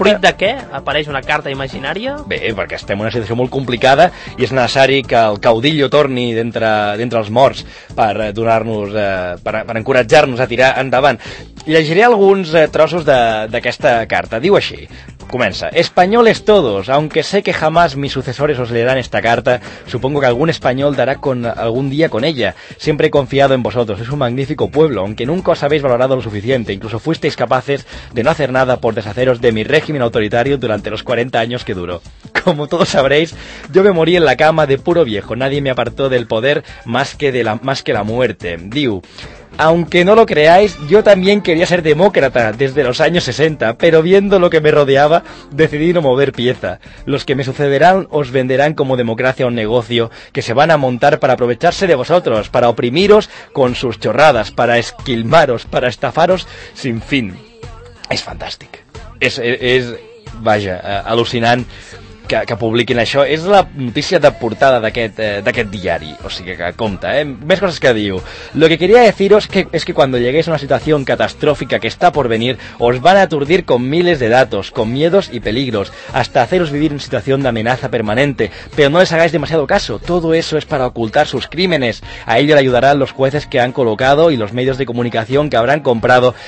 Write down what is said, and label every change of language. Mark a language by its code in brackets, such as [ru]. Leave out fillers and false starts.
[ca] Fruit de què apareix una carta imaginària? Bé, perquè estem en una situació molt complicada i és necessari que el caudillo torni d'entre els morts per donar-nos, per encoratjar-nos a tirar endavant. Llegiré alguns trossos d'aquesta carta. Diu així, comença. [es] Españoles todos, aunque sé que jamás mis sucesores os leerán esta carta, supongo que algún español dará algún día con ella. Siempre he confiado en vosotros, es un magnífico pueblo, aunque nunca os habéis valorado lo suficiente. Incluso fuisteis capaces de no hacer nada por deshaceros de mi régimen autoritario durante los 40 años que duró. Como todos sabréis, yo me morí en la cama de puro viejo. Nadie me apartó del poder más que la muerte. [ca] Diu... [es] Aunque no lo creáis, yo también quería ser demócrata desde los años 60, pero viendo lo que me rodeaba, decidí no mover pieza. Los que me sucederán os venderán como democracia un negocio que se van a montar para aprovecharse de vosotros, para oprimiros con sus chorradas, para esquilmaros, para estafaros sin fin. Es fantástico. Es, vaya, alucinante. [ca] que publiquin això. És la notícia de portada d'aquest diari. O sigui que compte, eh? Més coses que diu. [es] Lo que quería deciros que es que cuando lleguéis a una situación catastrófica que está por venir, os van a aturdir con miles de datos, con miedos y peligros, hasta haceros vivir en situación de amenaza permanente. Pero no les hagáis demasiado caso. Todo eso es para ocultar sus crímenes. A ello le ayudarán los jueces que han colocado y los medios de comunicación que habrán comprado.